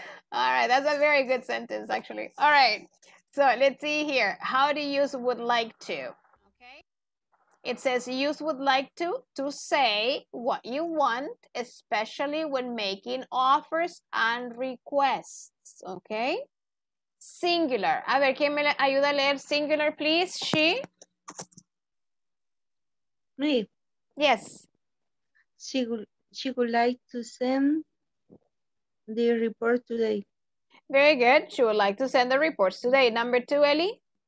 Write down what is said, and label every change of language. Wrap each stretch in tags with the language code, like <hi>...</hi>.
<en>All right, that's a very good sentence, actually. All right, so let's see here. How to use would like to. Okay. It says use would like to say what you want, especially when making offers and requests. Okay. Singular.</en> <es>A ver, ¿quién me ayuda a leer singular,</es> <en>please? She. Me. Yes. She would like to send the report today. Very good. She would like to send the reports today. Number two, Ellie.</en>